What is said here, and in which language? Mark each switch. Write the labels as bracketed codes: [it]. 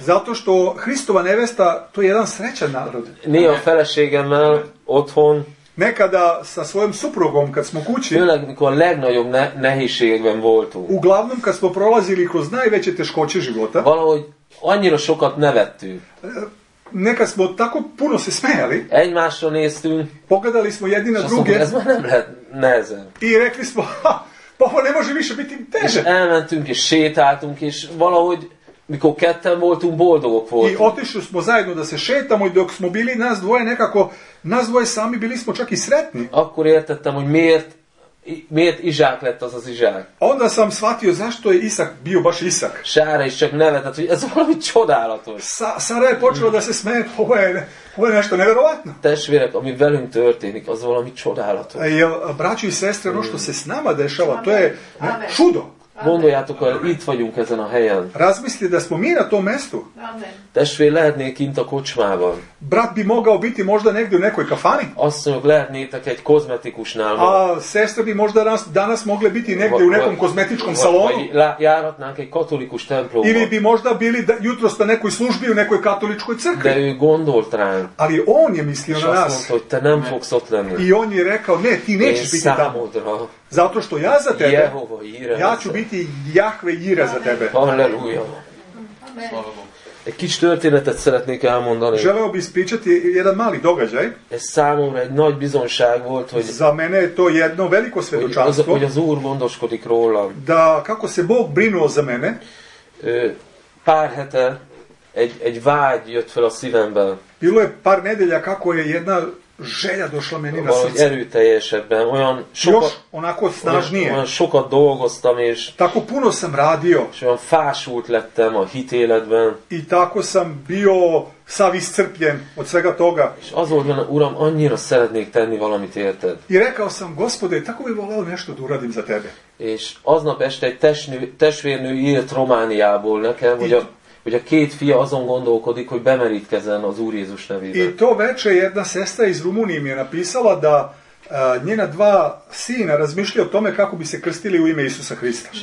[sr] Zato što Hristova nevesta to je jedan srećan narod. [hu] Néha feleségemmel otthon. [sr] Nekada sa svojom suprugom, kad smo kući, [hu] főleg, mikor legnagyobb nehézségben voltunk. [sr] Uglavnom, kad smo prolazili kroz najveće teškoće života. [hu] Valahogy annyira sokat nevettünk. [sr] Nekad smo tako puno se smejali. [hu] Egymásra néztünk. [sr] Pogledali smo jedni na druge. [hu] Ez már nem lehet nehezen. [sr] I rekli smo, pa ovo ne može više biti teže. [hu] És elmentünk és sétáltunk, és valahogy mikor ketten voltunk, boldogok voltunk. [sr] I otišli smo zajedno da se šetamo i dok smo bili nas dvoje nekako, nas dvoje sami bili smo čak i sretni. [hu] Akkor értettem, hogy miért Izsák lett az az Izsák. [sr] Onda sam shvatio zašto je Isak bio baš Isak. [hu] Sára is csak nevetett, hogy ez valami csodálatos. [sr] Sára je počelo da se smeje, ovo je nešto neverovatno. [hu] Tešvirek, ami velünk történik, az valami csodálatos. [sr] Braći i sestre, ono što se s nama dešava, to je čudo. [hu] Gondoljátok, hogy itt vagyunk ezen a helyen. [sr] Razmisli, de smo mi na tom mestu. [hu] Testvér, lehetnék kint a kocsmában. [sr] Brat bi mogao biti možda negdje u nekoj kafani. [hu] Asszonyok, lehetnétek egy kozmetikusnál. [sr] A sestre bi možda danas mogle biti negdje u nekom kozmetičkom salonu. [hu] Vagy járatnánk egy katolikus templomban. [sr] Ili bi možda bili jutros na nekoj službi u nekoj katoličkoj crkvi. [hu] De ő gondolt rám. [sr] Ali on je mislio na nas. [hu] Mondta, hogy te nem fogsz ott lenni. [sr] I on je rekao, ne, ti nećeš biti tamo. Zato što ja za tebe, ja ću biti Jahve Jire za tebe. Halleluja. [hu] Egy kicsi történetet szeretnék elmondani. [sr] Želeo bi ispričati jedan mali događaj. [hu] Ez számomra egy nagy bizonság volt, hogy [sr] za mene je to jedno veliko svedočanstvo. [hu] Hogy az Úr gondoskodik rólam. [sr] Da kako se Bog brinuo za mene. [hu] Pár hete egy vágy jött fel a szívembe. [sr] Bilo je par nedelja kako je jedna želja došla meni na srce. [hu] Erőteljesebben, olyan sokat, [sr] još onako snažnije. [hu] Olyan sokat dolgoztam, és [sr] tako puno sam radio. [hu] És olyan fásult lettem a hitéletben. [sr] I tako sam bio sav iscrpljen od svega toga. [hu] És az volt benne, Uram, annyira szeretnék tenni valamit, érted? [sr] I rekao sam, Gospode, tako bi volao nešto da uradim za tebe. [hu] És aznap este egy testvérnő írt Romániából nekem, hogy a két fia azon gondolkodik, hogy bemerítkezzen az Úr Jézus nevében. [sr] I to veče jedna sestra iz Rumunije mi je napisala da njena dva sina razmišlja o tome kako bi se krstili u ime Isusa Hrista.